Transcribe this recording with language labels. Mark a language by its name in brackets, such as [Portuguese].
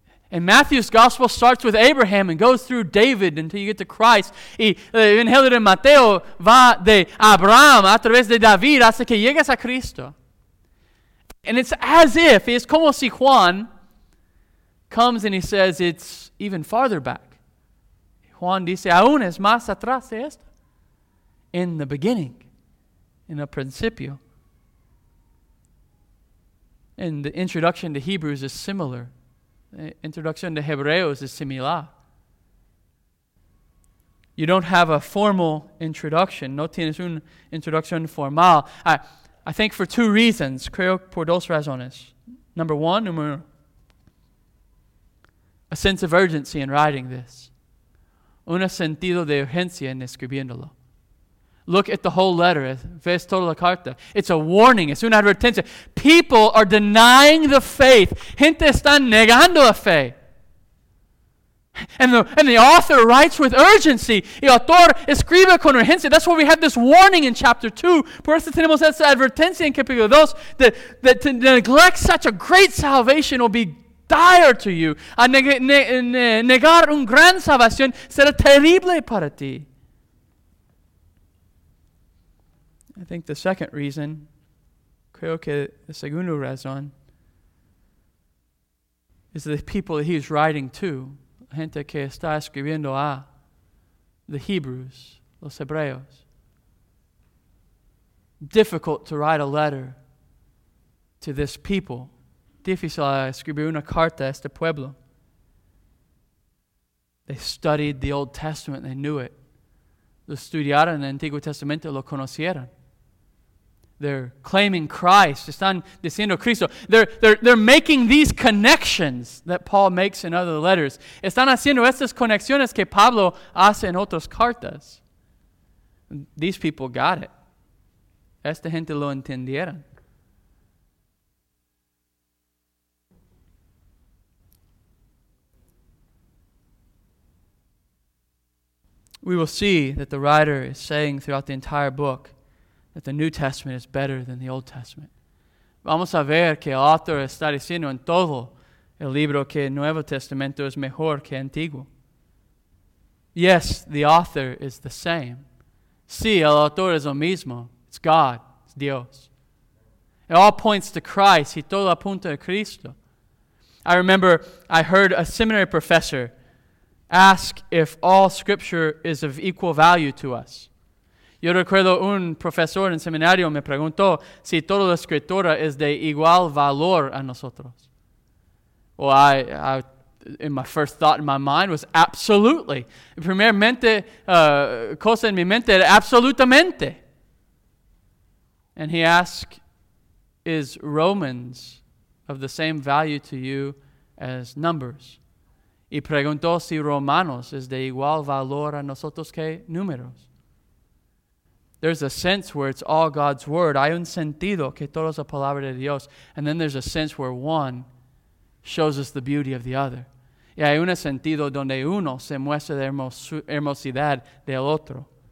[English] And Matthew's Gospel starts with Abraham and goes through David until you get to Christ. [Spanish] Y el Evangelio de Mateo va de Abraham a través de David hasta que llegas a Cristo. [English] And it's as if, it's [Spanish] como si [English] Juan comes and he says it's even farther back. [Spanish] Juan dice, aún es más atrás de esto. [English] In the beginning, in [Spanish] el principio. [English] And the introduction to Hebrews is similar. Introduction to Hebreos is similar. You don't have a formal introduction. [Spanish] No tienes una introducción formal. [English] I think for two reasons. [Spanish] Creo por dos razones. [English] Number one, [Spanish] número uno. [English] A sense of urgency in writing this. [Spanish] Un sentido de urgencia en escribiéndolo. [English] Look at the whole letter. [Spanish] Ves toda la carta. [English] It's a warning. It's [Spanish] una advertencia. [English] People are denying the faith. [Spanish] Gente está negando la fe. [English] And the author writes with urgency. [Spanish] El autor escribe con urgencia. [English] That's why we have this warning in chapter 2. [Spanish] Por eso tenemos esa advertencia en capítulo 2. [English] That to neglect such a great salvation will be dire to you. [Spanish] A negar un gran salvación será terrible para ti. [English] I think the second reason, [Spanish] creo que la segunda razón, [English] is the people that he's writing to, [Spanish] la gente que está escribiendo a, [English] the Hebrews, los Hebreos. Difficult to write a letter to this people. [Spanish] Difícil escribir una carta a este pueblo. [English] They studied the Old Testament, they knew it. [Spanish] Lo estudiaron el Antiguo Testamento, lo conocieron. [English] They're claiming Christ. [Spanish] Están diciendo Cristo. [English] They're making these connections that Paul makes in other letters. [Spanish] Están haciendo estas conexiones que Pablo hace en otras cartas. [English] These people got it. [Spanish] Esta gente lo entendieron. [English] We will see that the writer is saying throughout the entire book that the New Testament is better than the Old Testament. [Spanish] Vamos a ver que el autor está diciendo en todo el libro que el Nuevo Testamento es mejor que el Antiguo. [English] Yes, the author is the same. [Spanish] Sí, el autor es lo mismo. [English] It's God. It's Dios. It all points to Christ. [Spanish] Y todo apunta a Cristo. [English] I remember I heard a seminary professor ask if all Scripture is of equal value to us. [Spanish] Yo recuerdo un profesor en seminario me preguntó si toda la escritura es de igual valor a nosotros. [English] Well, I in my first thought in my mind was absolutely. [Spanish] Primeramente, cosa en mi mente era absolutamente. [English] And he asked, is Romans of the same value to you as Numbers? [Spanish] Y preguntó si Romanos es de igual valor a nosotros que Números. [English] There's a sense where it's all God's word. [Spanish] Hay un sentido que todo es la palabra de Dios. [English] And then there's a sense where one shows us the beauty of the other. [Spanish] Y hay un sentido donde uno se muestra la hermosidad del otro.